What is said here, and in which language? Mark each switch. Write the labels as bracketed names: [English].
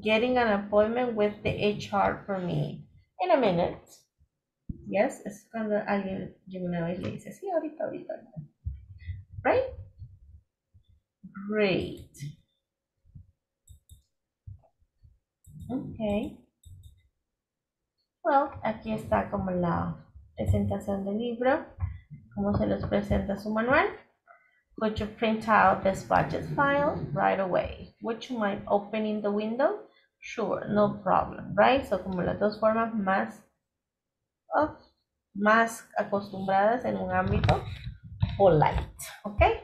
[English] Getting an appointment with the HR for me in a minute. [Spanish] Yes, es cuando alguien llega una vez y le dice, sí, ahorita. [English] Right? Great. Okay. Well, [Spanish] aquí está como la presentación del libro, como se los presenta su manual. [English] Would you print out this budget file right away? Would you mind opening the window? Sure, no problem, right? [Spanish] So como las dos formas más más acostumbradas en un ámbito polite, ok?